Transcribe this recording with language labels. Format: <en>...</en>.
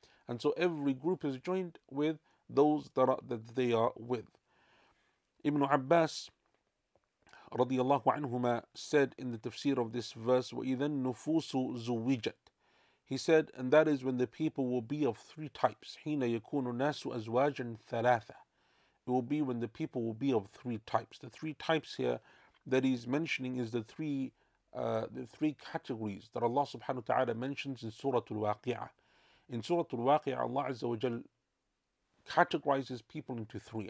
<en>And so every group is joined with those that they are with. Ibn Abbas</en> <ar>رضي الله عنهما</ar> <en>said in the tafsir of this verse,</en> <ar>وَإِذَا النُّفُوسُ زُوِّجَتْ.</ar> <en>He said, and that is when the people will be of three types.</en> <ar>حِينَ يَكُونُ النَّاسُ أَزْوَاجًا ثَلَاثًا.</ar> <en>It will be when the people will be of three types. The three types here that he's mentioning is the three categories that Allah subhanahu wa ta'ala mentions in Surah Al-Waqi'ah. In Surah Al-Waqi'ah, Allah Azza wa Jal categorizes people into three.</en>